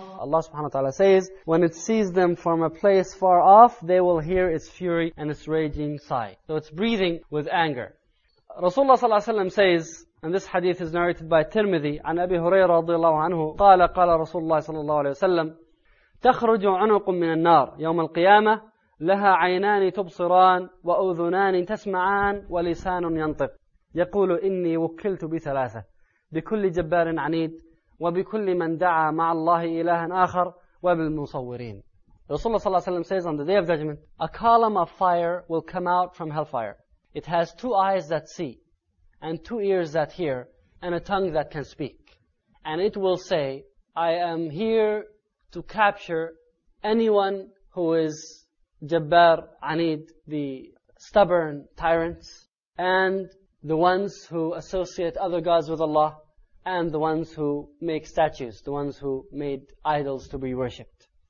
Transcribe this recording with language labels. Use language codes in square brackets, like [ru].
[en] Allah subhanahu wa ta'ala says, when it sees them from a place far off, they will hear its fury and its raging sigh. So it's breathing with anger. Rasulullah sallallahu alayhi wa sallam says, and this hadith is narrated by Tirmidhi, [ar] عن أبي هريرة رضي الله عنه, قال رسول الله صلى الله عليه وسلم, تخرج عنق من النار يوم القيامة لها عينان تبصران وأذنان تسمعان ولسان ينطق يقول إني وكلت بثلاثة بكل جبار عنيد وَبِكُلِّ مَنْ دَعَى مَعَ اللَّهِ إِلَٰهًا آخَرَ وَبِالْمُصَوِّرِينَ. [en] Rasulullah sallallahu alayhi wa sallam says, on the day of judgment, a column of fire will come out from hellfire. It has two eyes that see, and two ears that hear, and a tongue that can speak. And it will say, I am here to capture anyone who is Jabbar, Anid, the stubborn tyrants, and the ones who associate other gods with Allah, and the ones who make statues, the ones who made idols to be worshipped.